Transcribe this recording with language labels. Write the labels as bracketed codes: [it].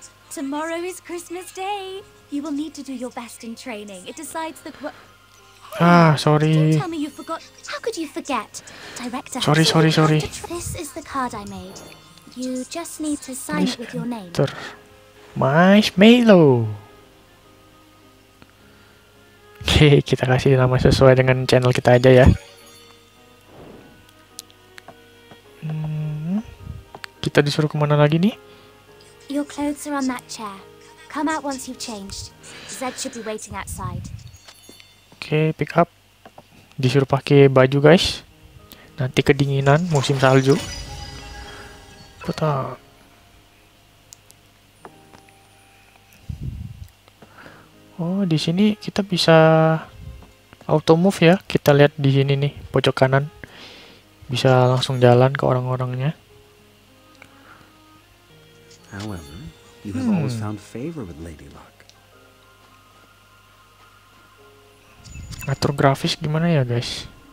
[en] Tomorrow is Christmas Day. You will need to do your best in training. It decides the. Ah, sorry. Don't tell me you forgot. How could you forget? Director. Sorry. This is the card I made. You just need to sign it with your name. Mr. Marshmallow. [id] Oke, kita kasih nama sesuai dengan channel kita aja ya. Kita disuruh kemana lagi nih? [en] Your clothes are on that chair. Come out once you've changed. Zed should be waiting outside. [id] Oke, [en] pick up. [id] Disuruh pakai baju, guys. Nanti kedinginan musim salju. Putar. Oh, di sini kita bisa auto move ya. Kita lihat di sini nih, pojok kanan. Bisa langsung jalan ke orang-orangnya. [en] However, you have always found favor with Lady Luck. [id] Atur grafis gimana ya, guys?